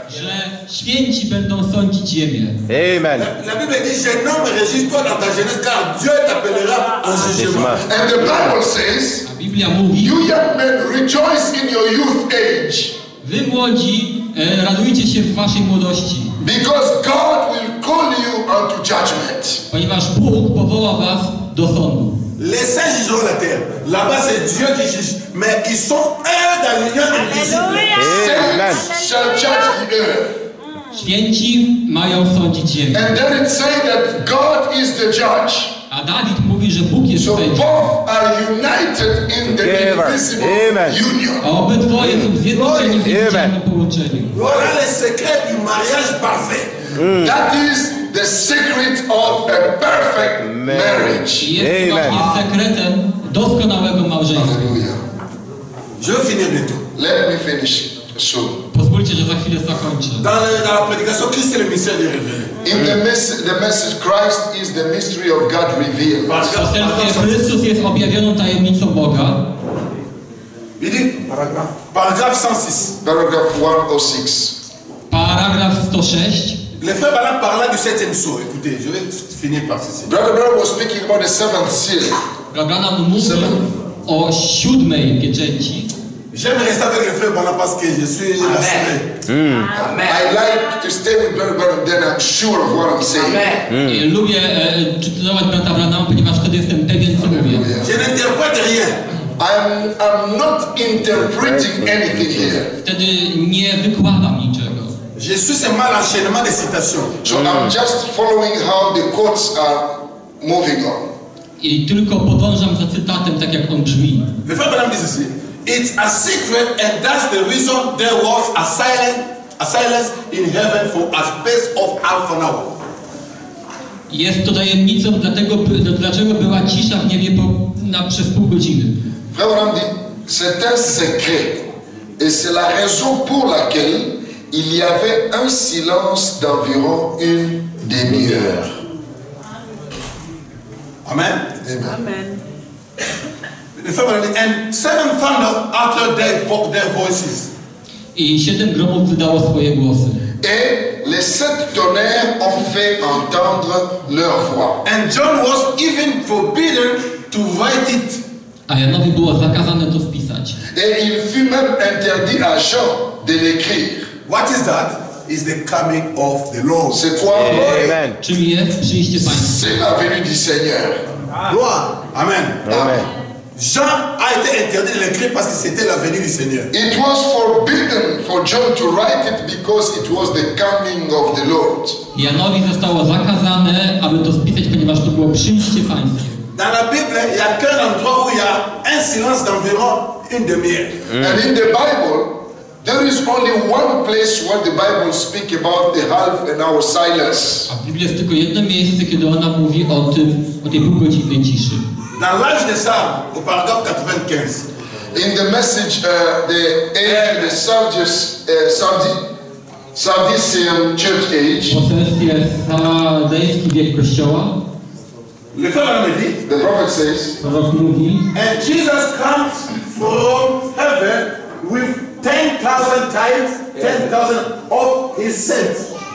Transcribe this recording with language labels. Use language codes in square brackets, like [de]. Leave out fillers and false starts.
[pl] Że święci będą sądzić ziemię. Amen. [fr] La Bible dit, je nomme Jésus-toi dans ta jeunesse, car Dieu t'appellera en jugement. [en] And the Bible says, [pl] a Biblia mówi, [en] you young men rejoice in your youth age. [pl] Wy młodzi, radujcie się w waszej młodości. [en] Because God will call you unto judgment. [pl] Ponieważ Bóg powoła was do sądu. [fr] Les saints jugeront la terre. Là-bas, c'est Dieu qui juge. Mais ils sont un dans l'union invisible. [en] Saints shall judge the earth. [pl] Święci mają sądzić ziemię. [en] And then it says that God is the judge. [pl] A Dawid mówi, że Bóg jest sędzią. [en] So both are united in the invisible Amen. Union. [pl] A obydwoje są zjednoczeni w jednym połączeniu. [fr] Voilà le secret du mariage parfait. [en] That is the secret of a perfect marriage. Amen. [pl] Jest sekretem doskonałego małżeństwa. [fr] Je finis le tout. [en] Let me finish soon. [pl] Pozwólcie, że za chwilę zakończę. [fr] Dans la prédication, Christ est le mystère de révélation. [en] In the message, Christ is the mystery of God revealed. Paragraph. [pl] Chrystus jest objawioną tajemnicą Boga. Widzisz? [en] Paragraph 106. Paragraph 106. Paragraph 106. [fr] Le frère Branham parla du septième sceau. Écoutez, je vais finir par ceci. [en] Brother Branham was speaking about the seventh seal. [pl] Branham mówił o siódmej pieczęci. [fr] J'aime rester avec le frère Branham parce que je suis rassuré. Amen. [en] I like to stay with Brother Branham, then I'm sure of what I'm saying. Amen. [pl] Lubię czytować Brother Branham, ponieważ wtedy jestem pewien, co mówię. [fr] Je n'interprète rien. [en] I'm not interpreting anything here. [pl] Wtedy nie wykładam niczego. [fr] Je suis seulement l'enchaînement des citations. [en] So I'm just following how the quotes are moving on. [pl] I tylko podążam za cytatem, tak jak on brzmi. [en] The Father Branham says, it's a secret, and that's the reason there was a silence in heaven for a space of half an hour. [pl] Jest to tajemnicą, dlatego dlaczego była cisza w niebie przez pół godziny. [fr] Father Branham dit, c'est un secret, et c'est la raison pour laquelle il y avait un silence d'environ une demi-heure. Amen. Amen. Amen. [en] And seven thunder uttered their voices. [pl] I siedem gromów wydało swoje głosy. [fr] Et les sept tonnerres ont fait entendre leur voix. [en] And John was even forbidden to write it. [pl] A Janowi było zakazane to wpisać. [fr] Et il fut même interdit à Jean de l'écrire. [en] What is that? Is the coming of the Lord. [fr] C'est quoi? Amen. [pl] Czym jest przyjście Pańskie? [fr] C'est la venue du Seigneur. Amen. Amen. Jean a été interdit de l'écrire parce que c'était la venue du Seigneur. [en] It was forbidden for John to write it because it was the coming of the Lord. [pl] Janowi zostało zakazane, aby to spisać, ponieważ to było przyjście Pańskie. [fr] Dans la Bible, il y a qu'un endroit où il y a un silence d'environ une demi-heure. Mm. [en] And in the Bible, there is only one place where the Bible speaks about the half an hour silence. [pl] A Biblia jest tylko jedno miejsce, kiedy ona mówi o tym, o tej półgodzinnej ciszy. [fr] Na large de ça, au paragraphe 95. [en] In the message, the Sardis, Sardisian church age. [pl] Poselstwie sardyjski wiek kościoła. [fr] Le Père dit. [en] The prophet says. [pl] Prorok mówi. [en] And Jesus comes from heaven with 10,000 times, 10,000 of his saints.